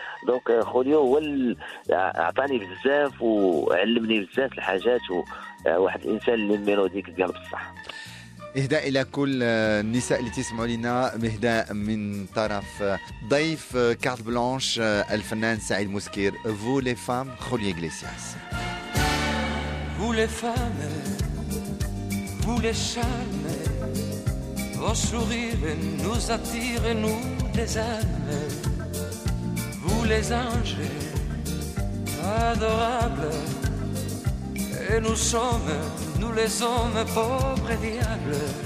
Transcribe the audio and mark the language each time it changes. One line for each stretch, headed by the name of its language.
Arabic: دونك خوليو هو عطاني بزاف وعلمني بزاف الحاجات وواحد الانسان اللي ميلوديك ديالو بصح. اهداء الى كل النساء اللي تسمعوا لنا مهداء من طرف ضيف كارت بلانش الفنان سعيد مسكير فو لي فام خوليو إغليسياس.
French: فو لي فام Vous les charmes, vos sourires nous attirent, nous des âmes. Vous les anges adorables, et nous les hommes pauvres diables.